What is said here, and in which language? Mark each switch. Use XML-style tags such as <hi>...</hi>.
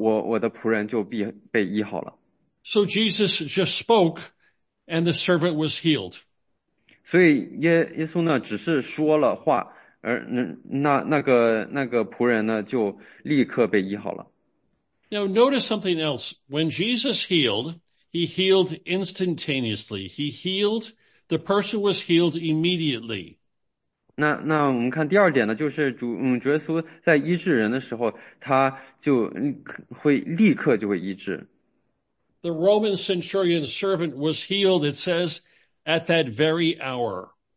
<zh>耶稣说他说他可以去到他家去医治那个仆人，而这个百夫长说，你只需要去说一句话，我的仆人就被医好了。</zh> <en>So Jesus just spoke, and the servant was healed.</en> <zh>所以耶稣呢只是说了话，而那个仆人呢就立刻被医好了。</zh> <en>Now notice something else. When Jesus healed, he healed instantaneously. He healed, the person was healed immediately.</en> <zh>那我们看第二点呢，就是主耶稣在医治人的时候，他就会立刻就会医治。</zh> <en>The Roman centurion's servant was healed, it says, at that very hour.</en>